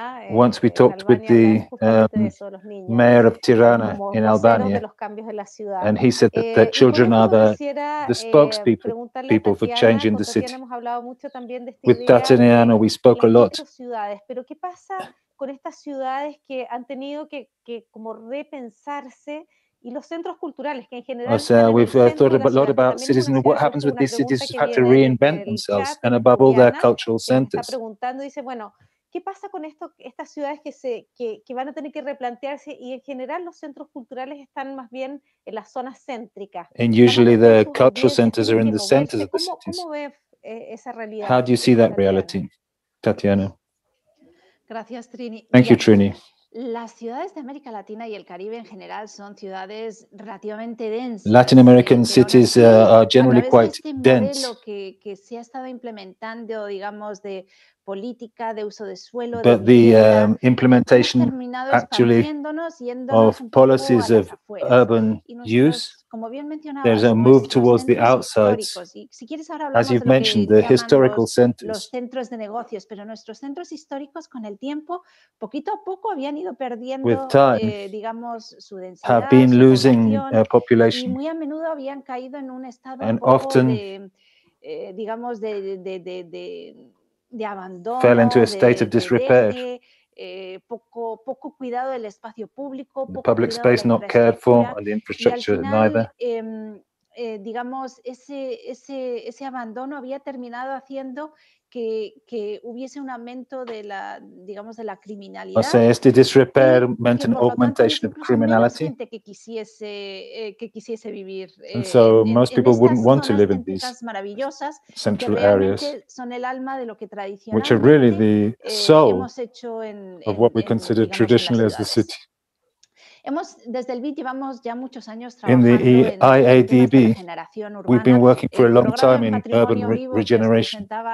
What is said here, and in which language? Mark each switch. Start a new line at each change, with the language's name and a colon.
English: Once we talked with the mayor of Tirana in Albania, and he said that children are the spokespeople people for changing the city. With Tatiana, we spoke a lot.
Spanish: Pero ¿qué pasa con estas ciudades que han tenido que como repensarse y los centros culturales que en general? O sea,
English: we've thought a lot about cities and what happens with these cities who have to reinvent themselves and above all their cultural centers.
Spanish: Está preguntando, dice, bueno, ¿qué pasa con esto, estas ciudades que van a tener que replantearse y en general los centros culturales están más bien en las zonas céntricas?
English: And usually the cultural centers are in the centers of the cities.
Spanish: ¿Cómo ve esa realidad?
English: How do you see that reality, Tatiana?
Spanish: Gracias, Trini.
English: Thank you, Trini.
Spanish: Las ciudades de América Latina y el Caribe en general son ciudades relativamente densas.
English: Latin American cities are generally quite dense.
Spanish: Lo que se ha estado implementando, digamos, de política de uso de suelo,
English: but the implementation actually of policies of urban use, there's a move towards the outsides, as you've mentioned, the historical centers.
Spanish: Los centros de negocios, pero nuestros centros históricos con el tiempo, poquito a poco, habían ido perdiendo,
English: with time,
Spanish: digamos, su densidad,
English: have been losing population,
Spanish: y muy a menudo habían caído en un estado
English: and
Spanish: un poco
English: often,
Spanish: digamos, de abandono,
English: fell into a state of disrepair.
Spanish: Poco cuidado del espacio público,
English: the public space not cared for, and the infrastructure
Spanish: y al final,
English: neither.
Spanish: Digamos, ese abandono había terminado haciendo que hubiese un aumento de la, digamos, de la criminalidad. O sea, este
English: disrepair meant an augmentation of criminality.
Spanish: Gente que quisiese vivir.
English: And so most people wouldn't want to live in these
Spanish: maravillosas
English: central areas,
Spanish: son el alma de lo que tradicionalmente,
English: which are really the soul of what we consider traditionally as the city.
Spanish: Desde el BID llevamos ya muchos años trabajando
English: in the IADB, we've been working for a long time in urban regeneration.